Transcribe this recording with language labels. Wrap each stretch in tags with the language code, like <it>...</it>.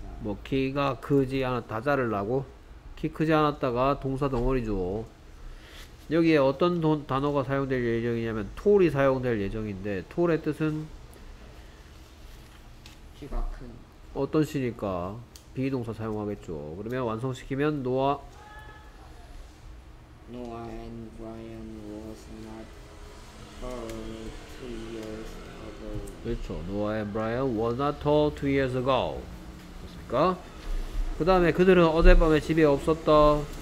<ko>뭐 키가 크지 않았다 자르라고? 키 크지 않았다가 동사 덩어리죠. 여기에 어떤 단어가 사용될 예정이냐면 tall이 사용될 예정인데 tall의 뜻은 키가 큰 어떤 시니까 비동사 사용하겠죠. 그러면 완성시키면</ko> <en>Noah and Brian was not tall 2 years ago.</en> <ko>그렇죠.</ko> <en>Noah and Brian was not tall 2 years ago.</en> <ko>됐습니까? 그 다음에 그들은 어젯밤에 집에 없었다.</ko>